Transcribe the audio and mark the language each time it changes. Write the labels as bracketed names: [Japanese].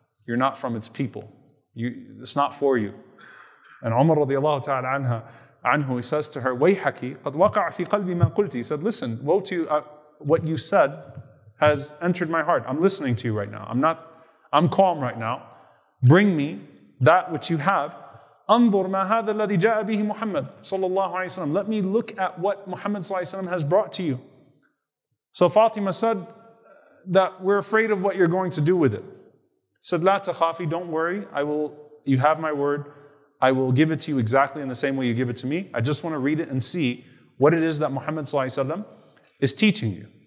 [English] You're not from its people. It's not for you. And Umar radiallahu ta'ala anhu, he says to her, [Arabic] وَيْحَكِ قَدْ وَقَعَ فِي قَلْبِ مَا قُلْتِ. [English] He said, listen, woe to you, what you said has entered my heart. I'm listening to you right now. I'm calm right now. Bring me that which you have [Arabic] انظر ما هذا الذي جاء به محمد صلى الله عليه وسلم. [English] Let me look at what Muhammad صلى الله عليه وسلم has brought to you. So Fatima said that we're afraid of what you're going to do with it. Said, [Arabic] لا تخافي, [English] don't worry, I will, you have my word, I will give it to you exactly in the same way you give it to me. I just want to read it and see what it is that Muhammad صلى الله عليه وسلم is teaching you.